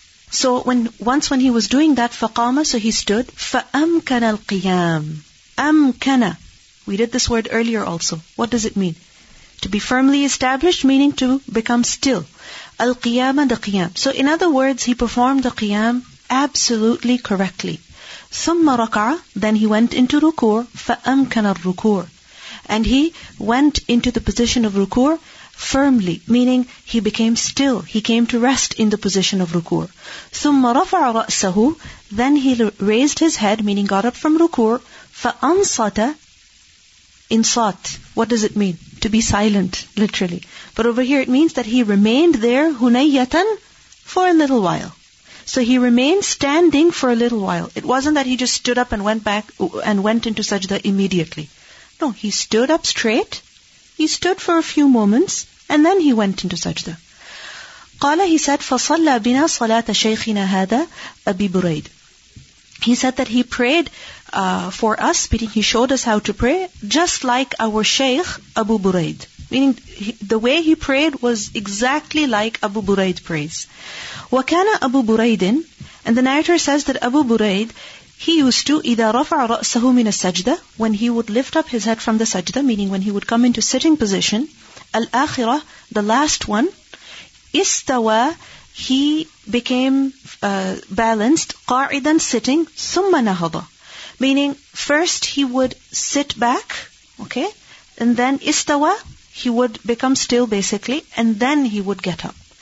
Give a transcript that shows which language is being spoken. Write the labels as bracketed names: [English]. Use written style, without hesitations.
[English] So when he was doing that, faqama, so he stood. [Arabic] فَأَمْكَنَ الْقِيَامِ أَمْكَنَ. [English] We did this word earlier also. What does it mean? To be firmly established, meaning to become still. الْقِيَامَ the qiyam. So in other words, he performed the qiyam absolutely correctly. [Arabic] ثم ركع, [English] then he went into [Arabic] ركوع, فأمكن الركوع. [English] And he went into the position of ركوع firmly, meaning he became still, he came to rest in the position of ركوع. [Arabic] ثم رفع رأسه, [English] then he raised his head, meaning got up from ركوع, [Arabic] فأنصت انصات. [English] What does it mean? To be silent, literally. But over here it means that he remained there, هنيةً, for a little while. So he remained standing for a little while. It wasn't that he just stood up and went back and went into sajda immediately. No, he stood up straight. He stood for a few moments and then he went into sajda. [Arabic] قال, [English] he said, [Arabic] فصلى بنا صلاة شيخنا هذا أبي بريد. [English] He said that he prayed for us, meaning he showed us how to pray, just like our Shaykh Abu Burayd. Meaning the way he prayed was exactly like Abu Burayd prays. وَكَانَ أَبُو بُرَيْدٍ, and the narrator says that Abu Burayd, he used to, [Arabic] إِذَا رَفَعَ رَأْسَهُ مِنَ السَّجْدَةِ, [English] when he would lift up his head from the sajda, meaning when he would come into sitting position, الآخرة, the last one, إِسْتَوَى, he became balanced, قَاعِدًا, sitting, [Arabic] ثُمَّ نَهَضَ, [English] meaning first he would sit back, okay, and then إِسْتَوَى, he would become still basically, and then he would get up.